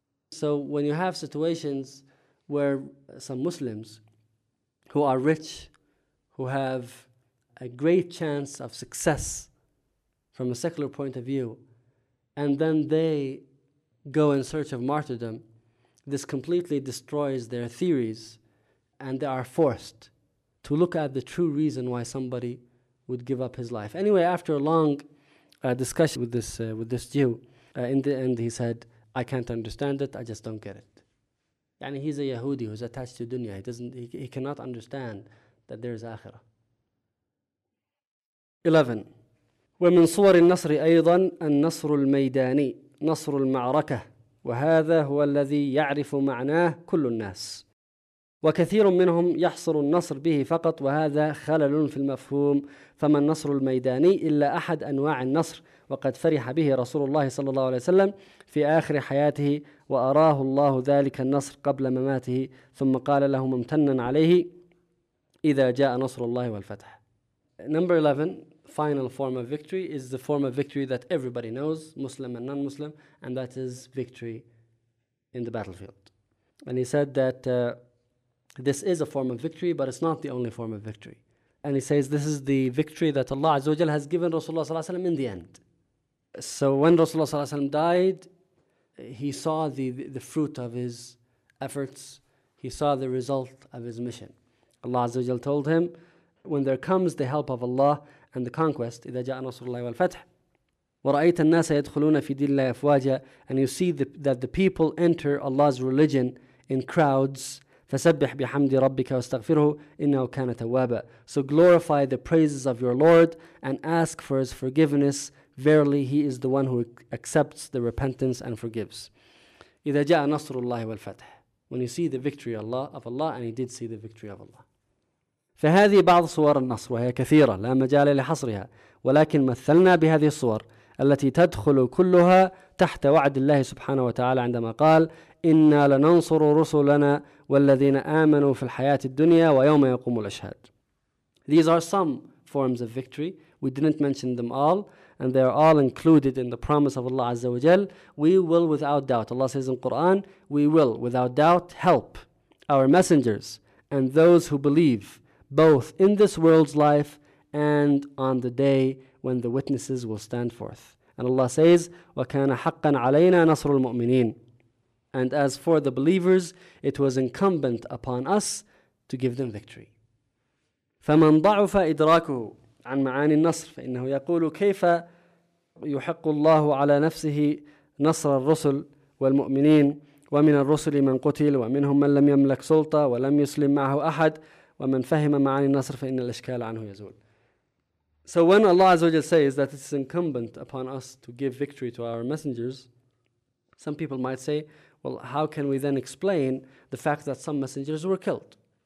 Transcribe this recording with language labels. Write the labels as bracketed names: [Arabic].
[English] So when you have situations where some Muslims who are rich, who have a great chance of success from a secular point of view, and then they go in search of martyrdom, this completely destroys their theories, and they are forced to look at the true reason why somebody would give up his life. Anyway, after a long discussion with this Jew, in the end he said, I can't understand it, I just don't get it. And he's a Yahudi who's attached to dunya. He cannot understand that there is akhirah. [Arabic] 11. ومن صور النصر أيضا النصر الميداني نصر المعركة وهذا هو الذي يعرف معناه كل الناس وكثير منهم يحصر النصر به فقط وهذا خلل في المفهوم فما النصر الميداني إلا أحد أنواع النصر وقد فرح به رسول الله صلى الله عليه وسلم في آخر حياته وأراه الله ذلك النصر قبل مماته ثم قال له ممتنا عليه إذا جاء نصر الله والفتح. [English] Number 11, final form of victory is the form of victory that everybody knows, Muslim and non-Muslim, and that is victory in the battlefield. And he said that this is a form of victory, but it's not the only form of victory. And he says this is the victory that Allah Azza wa Jalla has given Rasulullah Sallallahu Alaihi Wasallam in the end. So when Rasulullah Sallallahu Alaihi Wasallam died, he saw the fruit of his efforts. He saw the result of his mission. Allah Azza wa Jalla told him, when there comes the help of Allah and the conquest, [Arabic] إذا جاء نصر الله والفتح ورأيت الناس يدخلون في دين الله أفواجا, [English] and you see that the people enter Allah's religion in crowds, [Arabic] فسبح بحمد ربك واستغفره إنه كان توابا. [English] So glorify the praises of your Lord and ask for his forgiveness. Verily, he is the one who accepts the repentance and forgives. [Arabic] إذا جاء نصر الله والفتح, [English] when you see the victory of Allah, and he did see the victory of Allah. [Arabic] فهذه بعض صور النصر وهي كثيرة لا مجال لحصرها ولكن مثلنا بهذه الصور التي تدخل كلها تحت وعد الله سبحانه وتعالى عندما قال إنا لننصر رسلنا والذين آمنوا في الحياة الدنيا ويوم يقوم الأشهاد. [English] These are some forms of victory. We didn't mention them all, and they are all included in the promise of Allah Azza wa Jal. We will without doubt, Allah says in Quran, we will without doubt help our messengers and those who believe, both in this world's life and on the day when the witnesses will stand forth. And Allah says, [Arabic] وَكَانَ حَقًّا عَلَيْنَا نَصْرُ الْمُؤْمِنِينَ. [English] And as for the believers, it was incumbent upon us to give them victory. [Arabic] فَمَنْ ضَعُفَ إِدْرَاكُهُ عَنْ مَعَانِ النَّصْرِ فَإِنَّهُ يَقُولُ كَيْفَ يُحِقُّ اللَّهُ عَلَى نَفْسِهِ نَصْرَ الرُّسُلِ وَالْمُؤْمِنِينَ وَمِنَ الرُّسُلِ مَنْ قُتِلَ وَمِنْهُمْ مَنْ لَمْ يَمْلَكْ سُلْطَةً وَلَمْ يُسْلِمْ مَعَهُ أَحَدٌ وَمَنْ فَهِمَ مَعَانِ النَّصْرِ فَإِنَّ الْإِشْكَالَ عَنْهُ يَزُولُ. [English] So when Allah Azza wa Jalla says that it's incumbent upon us to give victory to our messengers, some people might say, well, how can we then explain the fact that some messengers were killed?